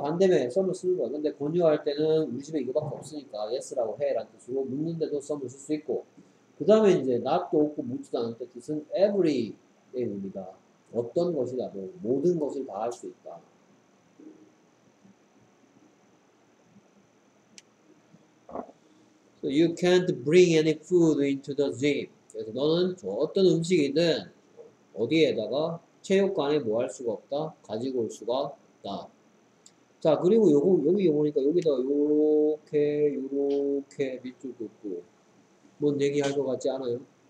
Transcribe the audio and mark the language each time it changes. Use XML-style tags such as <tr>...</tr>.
<ko>반대면 some을 쓰는 거예요. 근데 권유할 때는 우리 집에 이거밖에 없으니까 yes라고 해 라는 뜻으로 묻는데도 some을 쓸 수 있고 그 다음에 이제 not도 없고 묻지도 않을 때 뜻은 every의 의미다. 어떤 것이라도 모든 것을 다 할 수 있다. 그래서</ko> <en>you can't bring any food into the gym.</en> <ko>그래서 너는 저 어떤 음식이든 어디에다가 체육관에 뭐 할 수가 없다? 가지고 올 수가 없다. 자 그리고 요거 여기 보니까 여기다가 요렇게 요렇게 밑줄도 있고 뭔 얘기할 것 같지 않아요?</ko>